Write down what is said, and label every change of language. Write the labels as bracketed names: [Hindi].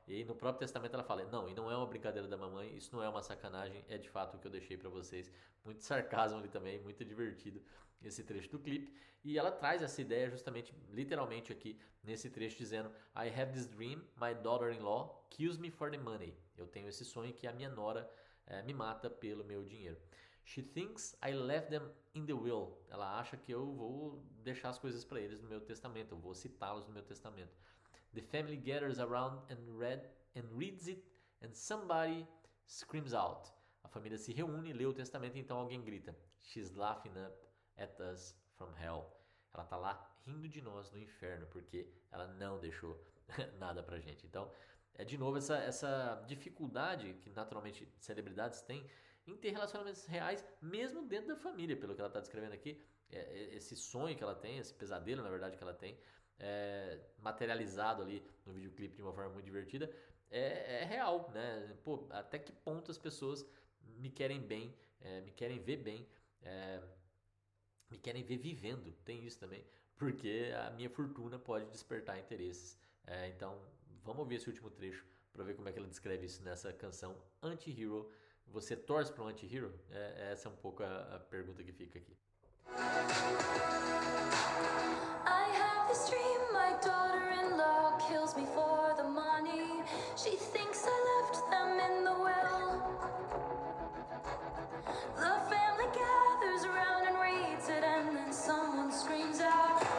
[Portuguese] E no próprio testamento ela fala, não, e não é uma brincadeira da mamãe, isso não é uma sacanagem, é de fato o que eu deixei para vocês. Muito sarcasmo ali também, muito divertido esse trecho do clipe. E ela traz essa ideia justamente, literalmente aqui, nesse trecho, dizendo, [English] I have this dream, my daughter-in-law kills me for the money. [Portuguese] Eu tenho esse sonho que a minha nora me mata pelo meu dinheiro. [English] She thinks I left them in the will. [Portuguese] Ela acha que eu vou deixar as coisas para eles no meu testamento. Eu vou citá-los no meu testamento. [English] The family gathers around and reads it and somebody screams out. [Portuguese] A família se reúne, lê o testamento e então alguém grita. [English] She's laughing up at us from hell. [Portuguese] Ela está lá rindo de nós no inferno porque ela não deixou nada para a gente. Então, é de novo essa dificuldade que naturalmente celebridades têm em ter relacionamentos reais, mesmo dentro da família, pelo que ela está descrevendo aqui, esse sonho que ela tem, esse pesadelo, na verdade, que ela tem, materializado ali no videoclipe de uma forma muito divertida, é real, né? Pô, até que ponto as pessoas me querem bem, me querem ver bem, me querem ver vivendo, tem isso também, porque a minha fortuna pode despertar interesses. Então, vamos ouvir esse último trecho para ver como é que ela descreve isso nessa canção Anti-Hero. Você torce para um anti-hero? Essa é um pouco a pergunta que fica aqui. [English] I have this dream, my daughter-in-law kills me for the money. She thinks I left them in the will. The family gathers around and reads it, and then someone screams out.